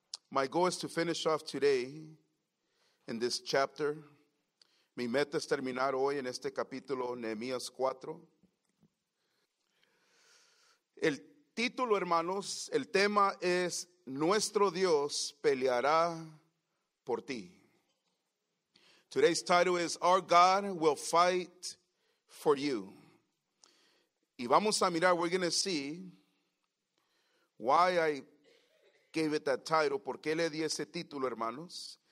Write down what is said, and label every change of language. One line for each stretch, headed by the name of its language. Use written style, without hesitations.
English: My goal is to finish off today in this chapter.
Spanish: Mi meta es terminar hoy en este capítulo, Nehemías 4. El título, hermanos, el tema es Nuestro Dios peleará por ti.
English: Today's title is Our God Will Fight for You.
Spanish: Y vamos a mirar,
English: we're going to see why I gave it that title.
Spanish: ¿Por qué le di ese título, hermanos?